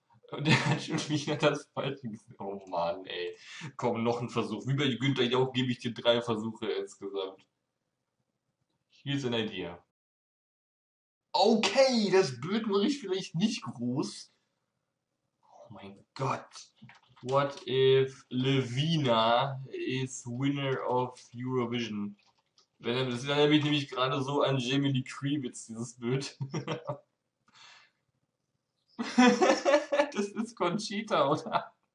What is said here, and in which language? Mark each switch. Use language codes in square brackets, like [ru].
[de] Und der hat schon wieder das falsche gesehen. Oh Mann, ey. Komm, noch ein Versuch. Wie bei Günther Jauch gebe ich dir drei Versuche insgesamt. Hier ist eine Idee. Okay, das Bild mache ich vielleicht nicht groß. Oh mein Gott. [en] What if Levina is winner of Eurovision? [de] Das erinnert mich nämlich gerade so an Jamie Lee Kriwitz, dieses Bild. Das ist Conchita, oder?